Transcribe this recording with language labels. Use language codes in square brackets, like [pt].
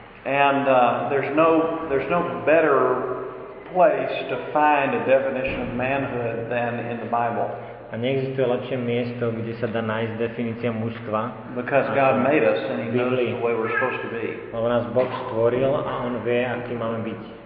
[en] And there's no better place to find a definition of manhood than in the Bible. [sk] A neexistuje lepšie miesto, kde sa dá nájsť definícia mužstva. [en] Because God made us and he knows the way we're supposed to be. [sk] Lebo nás Boh stvoril a on vie, aký máme byť.